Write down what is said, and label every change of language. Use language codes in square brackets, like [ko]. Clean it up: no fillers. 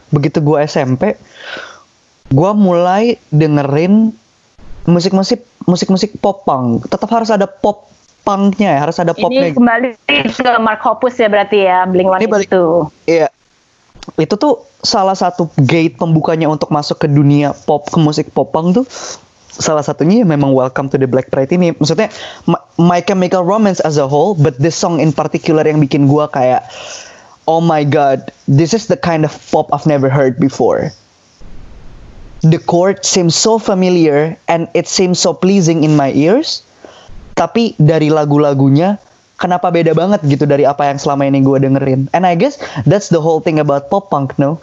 [id] Begitu gue SMP, gue mulai dengerin musik-musik pop punk. Tetap harus ada pop punknya ya, harus ada popnya. Ini kembali ke Mark Hoppus ya berarti ya, Blink One itu. Iya. Itu tuh salah satu gate pembukanya untuk masuk ke dunia pop, ke musik pop punk tuh. Salah satunya memang Welcome to the Black Parade ini. Maksudnya [en] My Chemical Romance as a whole, but this song in particular [id] yang bikin gue kayak, [en] oh my god, this is the kind of pop I've never heard before. The chord seems so familiar and it seems so pleasing in my ears. [id] Tapi dari lagu-lagunya, kenapa beda banget gitu dari apa yang selama ini gue dengerin. [en] And I guess that's the whole thing about pop punk, no?